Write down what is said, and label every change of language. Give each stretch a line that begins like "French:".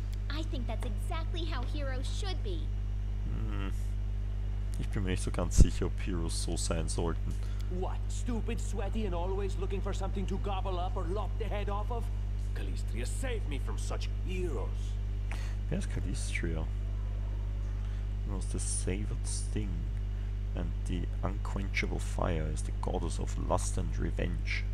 English: I think that's exactly how heroes should be.
German: Ich bin mir nicht so ganz sicher, ob Heroes so sein sollten.
English: What? Stupid, sweaty and always looking for something to gobble up or lop the head off of? Kalistria, save me from such heroes.
German: Wer ist Kalistria?
English: Und was the savored sting and the unquenchable fire is the goddess of lust and revenge.